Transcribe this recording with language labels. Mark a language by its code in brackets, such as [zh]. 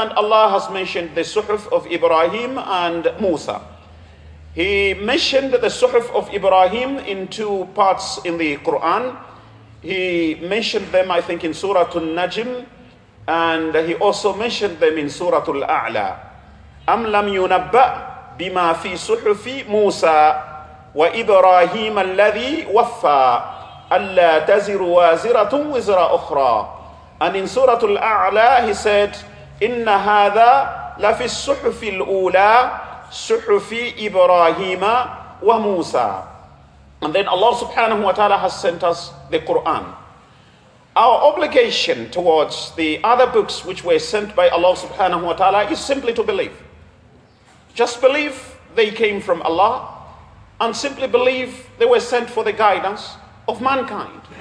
[en] And Allah has mentioned the Suhuf of Ibrahim and Musa. He mentioned the Suhuf of Ibrahim in two parts in the Quran. He mentioned them, I think, in Surah Al-Najm. And he also mentioned them in Surah Al-A'la. [ar] Am lam yunabba bima fi suhufi Musa. وإبراهيم الذي وفى ألا تزر وازرة وزر أخرى. [en] And in Surah Al-A'la, he said, [ar] إن هذا لفي الصحف الأولى صحف إبراهيم وموسى. [en] And then Allah subhanahu wa ta'ala has sent us the Quran. Our obligation towards the other books which were sent by Allah subhanahu wa ta'ala is simply to believe. Just believe they came from Allah. And simply believe they were sent for the guidance of mankind.